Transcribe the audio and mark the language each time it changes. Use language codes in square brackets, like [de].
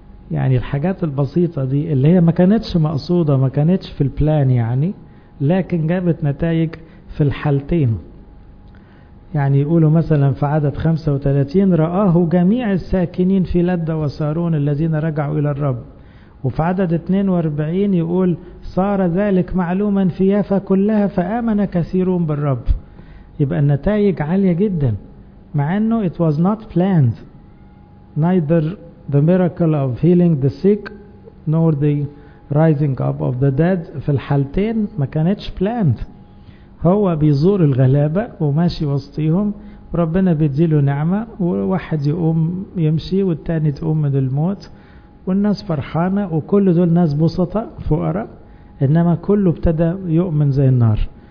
[ar] يعني الحاجات البسيطة دي اللي هي ما كانتش مقصودة، ما كانتش في البلان يعني، لكن جابت نتائج في الحالتين. يعني يقولوا مثلا في عدد 35 رآه جميع الساكنين في لدة وسارون الذين رجعوا إلى الرب، وفي عدد 42 يقول صار ذلك معلوما في يافا كلها فآمن كثيرون بالرب. يبقى النتائج عالية جدا مع أنه [en] it was not planned neither the miracle of healing the sick nor the rising up of the dead. [ar] في الحالتين ما كانتش planned، هو بيزور الغلابة وماشي وسطيهم، ربنا بيديله نعمة، وواحد يقوم يمشي والتاني تقوم من الموت، والناس فرحانة، وكل دول ناس بسطة فقراء، إنما كله ابتدى يؤمن زي النار.